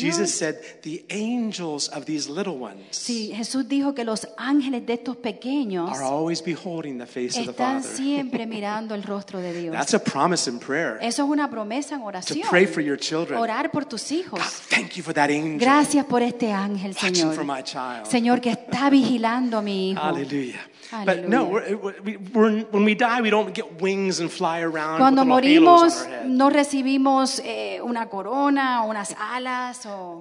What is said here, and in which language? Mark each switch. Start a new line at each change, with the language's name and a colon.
English: Jesus said the angels of these little ones.
Spanish: Sí, Jesús dijo que los ángeles de estos pequeños
English: are always beholding the face of the Father.
Spanish: Están siempre mirando el rostro de Dios.
English: That's a promise in prayer.
Spanish: Eso es una promesa en oración.
English: To pray for your children.
Spanish: Orar por tus hijos.
English: God, thank you for that angel.
Spanish: Gracias por este ángel, Señor.
English: for my child.
Spanish: Señor que está vigilando a mi hijo.
English: Hallelujah. But no, we're, when we die, we don't get wings and fly around.
Spanish: Cuando morimos,
English: with little halos on our head.
Spanish: No recibimos una corona o unas alas o.